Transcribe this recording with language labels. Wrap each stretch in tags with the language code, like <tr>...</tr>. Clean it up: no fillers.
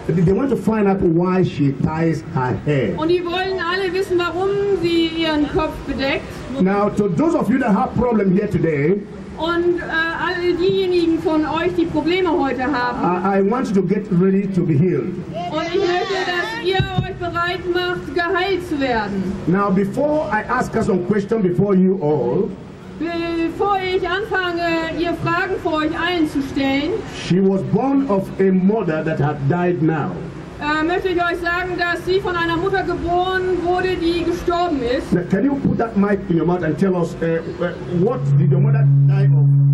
<en>They want to find out why she ties her hair.</en> <de>Und die wollen alle wissen, warum sie ihren Kopf bedeckt.</de> <en>Now, to those of you that have problems here today,</en> <de>und alle diejenigen von euch, die Probleme heute haben,</de> <en>I want you to get ready to be healed.</en> <de>Und ich möchte, dass ihr euch bereit macht, geheilt zu werden.</de> <en>Now, before I ask us some questions before you all,</en> <de>bevor ich anfange, ihr Fragen vor euch allen zu stellen,</de> <en>she was born of a mother that had died now.</en> <de>Möchte ich euch sagen, dass sie von einer Mutter geboren wurde, die gestorben ist.</de> <en>Now, can you put that mic in your mouth and tell us, what did your mother die of?</en>